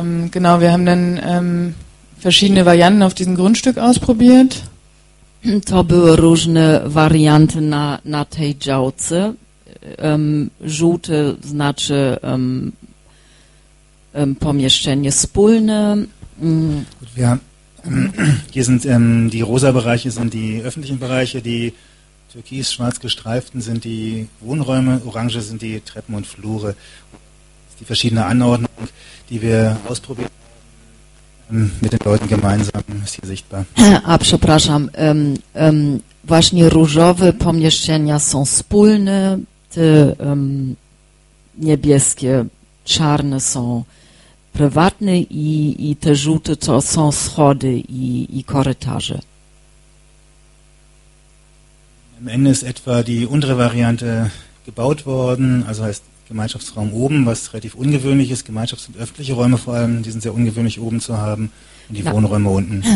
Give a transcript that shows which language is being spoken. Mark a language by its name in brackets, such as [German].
[German] Genau, wir haben dann verschiedene Varianten auf diesem Grundstück ausprobiert. [Polish] To były różne warianty na tej działce. Żółte znaczy pomieszczenie wspólne. [German] Gut, ja. Hier sind die rosa Bereiche sind die öffentlichen Bereiche, die türkis-schwarz gestreiften sind die Wohnräume, orange sind die Treppen und Flure. Das ist die verschiedene Anordnung, die wir ausprobieren. Mit den Leuten gemeinsam ist hier sichtbar. [Polish] A przepraszam, właśnie różowe pomieszczenia są wspólne, te niebieskie, czarne są prywatne i te żółte to są schody i korytarze. [German] Am Ende ist etwa die untere Variante gebaut worden, also heißt Gemeinschaftsraum oben, was relativ ungewöhnlich ist. Gemeinschafts- und öffentliche Räume vor allem, die sind sehr ungewöhnlich oben zu haben und die Wohnräume unten.